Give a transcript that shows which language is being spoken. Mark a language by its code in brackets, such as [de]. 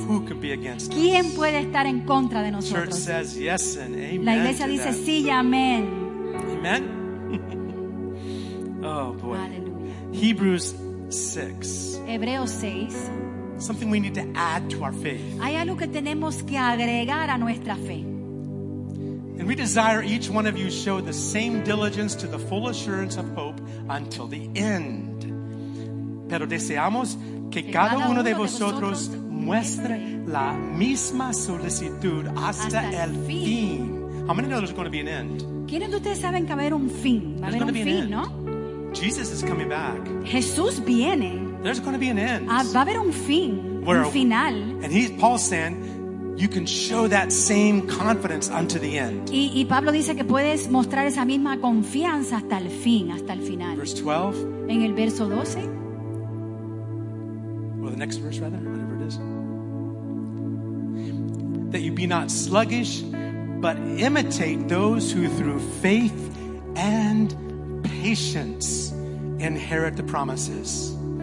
[en] Who could be against [es] ¿quién [en] us? [es] Puede estar en contra de nosotros? [en] Church says yes and amen. [es] La iglesia [en] to [es] dice [en] that. [es] Sí y amén. [en] Amen. Oh boy. [es] Aleluya. [en] Hebrews 6. [es] Hebreos 6. [en] Something we need to add to our faith. [es] Hay algo que tenemos que agregar a nuestra fe. [en] And we desire each one of you show the same diligence to the full assurance of hope until the end. [es] Pero deseamos que cada uno de vosotros muestre la misma solicitud hasta el fin. [en] How many know there's going to be an end? [es] ¿Quiénes de ustedes saben que va a haber un fin? Va a haber un fin, ¿no? [en] Jesus is coming back. [es] Jesús viene. [en] There's going to be an end. [es] Va a haber un fin. [en] Where, [es] un final. [en] And Paul's saying, you can show that same confidence unto the end. [es] Y Pablo dice que puedes mostrar esa misma confianza hasta el fin, hasta el final. [en] Verse 12. [es] En el verso 12. [en] Or the next verse, rather, whatever it is. That you be not sluggish, but imitate those who through faith and patience inherit the promises.